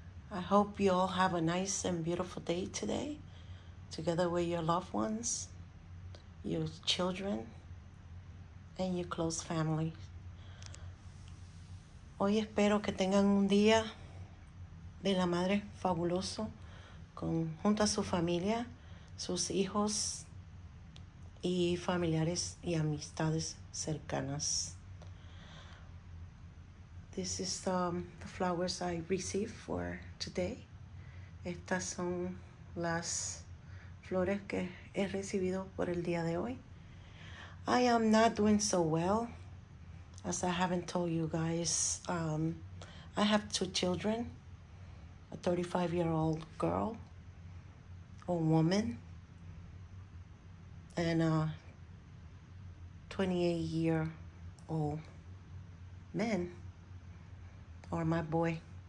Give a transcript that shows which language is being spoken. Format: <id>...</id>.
<en>I hope you all have a nice and beautiful day today, together with your loved ones, your children, and your close family.</en> <es>Hoy espero que tengan un día de la madre fabuloso junto a su familia, sus hijos y familiares y amistades cercanas.</es> <en>This is the flowers I received for today.</en> <es>Estas son las flores que he recibido por el día de hoy.</es> <en>I am not doing so well. As I haven't told you guys, I have two children, a 35-year-old girl or woman, and a 28-year-old man, or my boy.</en>